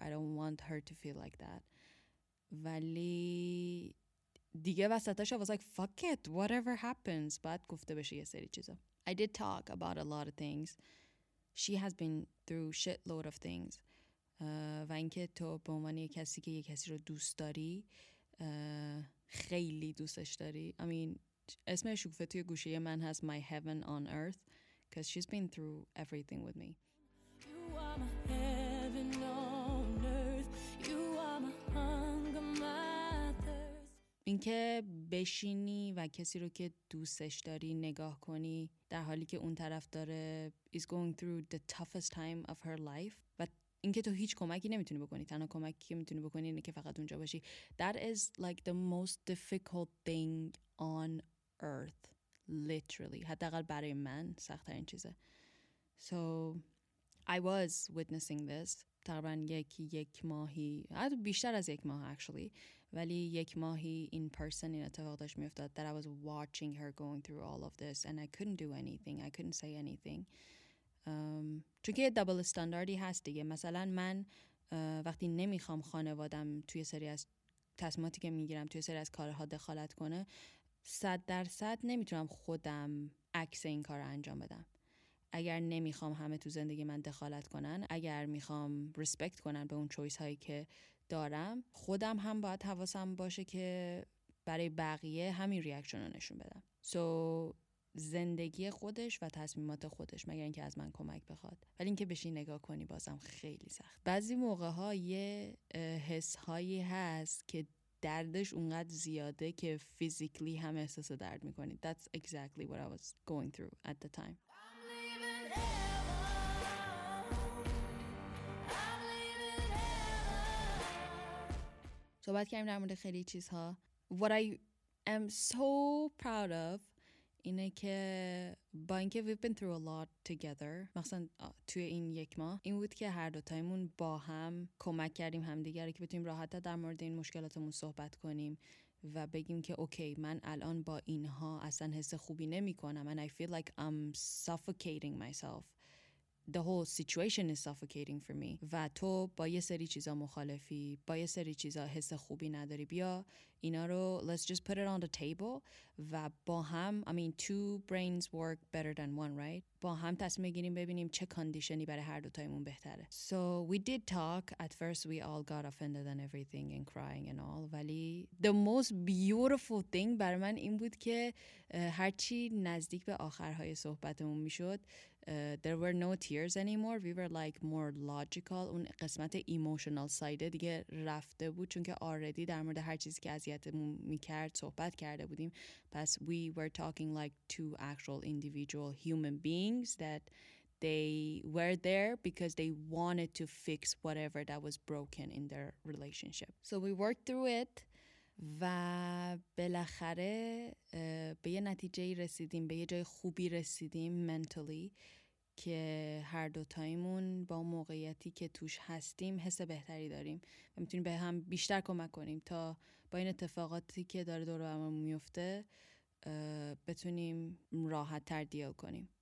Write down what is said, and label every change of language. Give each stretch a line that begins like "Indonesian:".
English: I don't want her to feel like that.
Persian: ولی دیگه وسطش
English: I was like fuck it, whatever happens.
Persian: بعد گفته بشه یه سری چیزا.
English: I did talk about a lot of things. She has been through shitload of things.
Persian: و اینکه تو به عنوان یه کسی که یه کسی رو دوست داری، خیلی دوستش داری.
English: I mean
Persian: اسم شکوفه توی گوشه من هست
English: My Heaven on Earth because she's been through everything with me.
Persian: این که بشینی و کسی رو که دوستش داری نگاه کنی در حالی که اون طرف داره
English: is going through the toughest time of her life
Persian: و این که تو هیچ کمکی نمیتونی بکنی، تنها کمکی که میتونی بکنی اینه که فقط اونجا باشی.
English: That is like the most difficult thing on earth literally.
Persian: حداقل برای من سخت‌ترین چیزه.
English: So I was witnessing this
Persian: تقریبا یک ماهی، حتی بیشتر از یک ماه actually، ولی یک ماهی این پرسن این اتفاق داشت میفتاد.
English: That I was watching her going through all of this and I couldn't do anything. I couldn't say anything.
Persian: چون که یه دابل استانداردی هست دیگه. مثلا من وقتی نمیخوام خانوادم توی سری از تصمیماتی که میگیرم توی سری از کارها دخالت کنه، 100% نمیتونم خودم عکس این کار انجام بدم. اگر نمیخوام همه تو زندگی من دخالت کنن، اگر میخوام ریسپکت کنن به اون چویس هایی که دارم، خودم هم باید حواسم باشه که برای بقیه همین ریاکشن رو نشون بدم. سو زندگی خودش و تصمیمات خودش، مگر اینکه از من کمک بخواد. ولی اینکه بشین نگاه کنی بازم خیلی سخت. بعضی موقع ها یه حس هایی هست که دردش اونقدر زیاده که فیزیکلی هم احساس درد میکنی.
English: That's exactly what I was going through at the time.
Persian: صحبت کردیم در مورد خیلی چیزها.
English: What I am so proud of
Persian: اینه که با اینکه
English: we've been through a lot together،
Persian: مخصوصا توی این یک ماه، این بود که هر دوتایمون با هم کمک کردیم همدیگر که بتونیم راحت در مورد این مشکلاتمون صحبت کنیم و بگیم که اوکی من الان با اینها اصلا حس خوبی نمی کنم
English: and I feel like I'm suffocating myself. The whole situation is suffocating for me.
Persian: و تو با یه سری چیزا مخالفی، با یه سری چیزا حس خوبی نداری، بیا اینا رو
English: let's just put it on the table
Persian: و با هم
English: I mean two brains work better than one right.
Persian: با هم تصمیم بگیریم ببینیم چه کاندیشنی برای هر دو تایمون بهتره.
English: So we did talk. At first we all got offended and everything and crying and all.
Persian: ولی
English: the most beautiful thing
Persian: بر من این بود که هرچی نزدیک به آخرهای صحبتمون میشد
English: there were no tears anymore. We were like more logical.
Persian: اون قسمت emotional side دیگه رفته بود چون که already در مورد هر چیزی که اذیتمون میکرد صحبت کرده بودیم. پس
English: we were talking like two actual individual human beings that they were there because they wanted to fix whatever that was broken in their relationship. So we worked through it.
Persian: و بالاخره به یه نتیجه رسیدیم، به یه جای خوبی رسیدیم منتالی که هر دوتایمون با موقعیتی که توش هستیم حس بهتری داریم و میتونیم به هم بیشتر کمک کنیم تا با این اتفاقاتی که داره دور و برمون میفته بتونیم راحت تر دیال کنیم.